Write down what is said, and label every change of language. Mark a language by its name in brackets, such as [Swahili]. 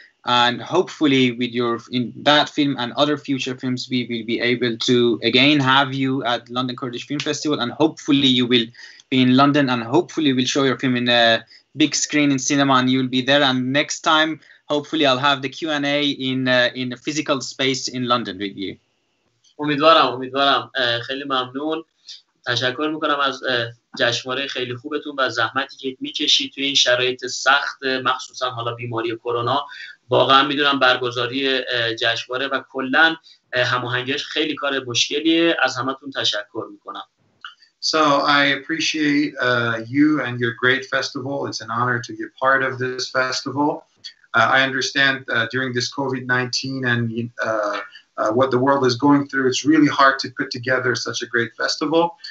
[English] And hopefully with that film and other future films, we will be able to again have you at London Kurdish Film Festival. And hopefully you will be in London and hopefully we'll show your film in a big screen in cinema and you'll be there. And next time, hopefully I'll have the Q&A in a physical space in London with you. [Persian] امیدوارم. خیلی ممنون. تشکر میکنم از جشنواره خیلی خوبتون و زحمتی که میکشید توی این شرایط سخت، مخصوصا حالا بیماری کرونا. واقعا میدونم برگزاری جشنواره و کلن هماهنگیش خیلی کار مشکلیه. از همتون تشکر میکنم. [English] So I appreciate you and your great festival. It's an honor to be a part of this festival. I understand during this COVID-19 and what the world is going through, it's really hard to put together such a great festival.